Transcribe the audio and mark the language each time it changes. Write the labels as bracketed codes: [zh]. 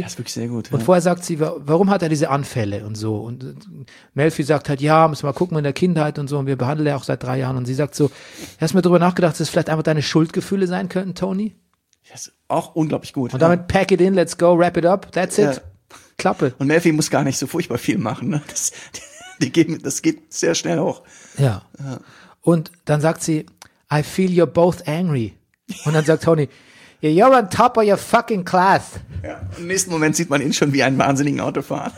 [de] das ist wirklich sehr gut, ja. Und vorher sagt sie, warum hat er diese Anfälle und so? Und Melfi sagt halt, ja, müssen wir mal gucken in der Kindheit und so, und wir behandeln ja auch seit 3 Jahren. Und sie sagt so, hast du mir darüber nachgedacht, dass es vielleicht einfach deine Schuldgefühle sein könnten, Tony? Das ist auch unglaublich gut. Und damit [en] pack it in, let's go, wrap it up, that's it. Ja. [de] Klappe. Und Melfi muss gar nicht so furchtbar viel machen. Ne? Das geht sehr schnell hoch. Ja. Und dann sagt sie, [en] I feel you're both angry. [de] Und dann sagt [en] Tony, you're on top of your fucking class. [de] Ja. Im nächsten Moment sieht man ihn schon wie einen wahnsinnigen Autofahrer.